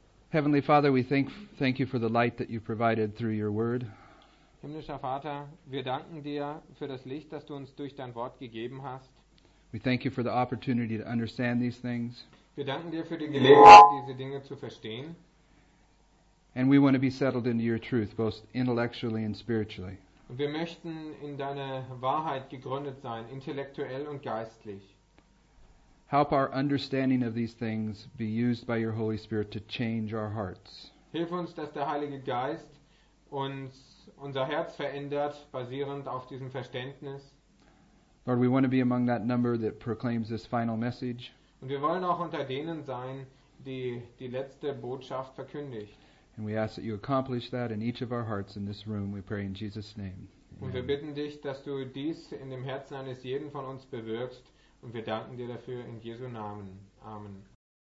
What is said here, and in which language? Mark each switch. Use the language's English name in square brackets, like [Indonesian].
[English] Heavenly Father, we thank you for the light that you provided through your word. [German] Himmlischer Vater, wir danken dir für das Licht, das du uns durch dein Wort gegeben hast. [English] We thank you for the opportunity to understand these things. [German] Wir danken dir für die Gelegenheit, diese Dinge zu verstehen. [English] And we want to be settled into your truth, both intellectually and spiritually. [German] Und wir möchten in deine Wahrheit gegründet sein, intellektuell und geistlich. [English] Help our understanding of these things be used by your Holy Spirit to change our hearts. [German] Hilf uns, dass der Heilige Geist uns unser Herz verändert, basierend auf diesem Verständnis. [English] Lord, we want to be among that number that proclaims this final message. [German] Und wir wollen auch unter denen sein, die die letzte Botschaft verkündigt. [English] And we ask that you accomplish that in each of our hearts in this room. We pray in Jesus' name. Amen. [German] Und wir bitten dich, dass du dies in dem Herzen eines jeden von uns bewirkst. Und wir danken dir dafür in Jesu Namen. Amen.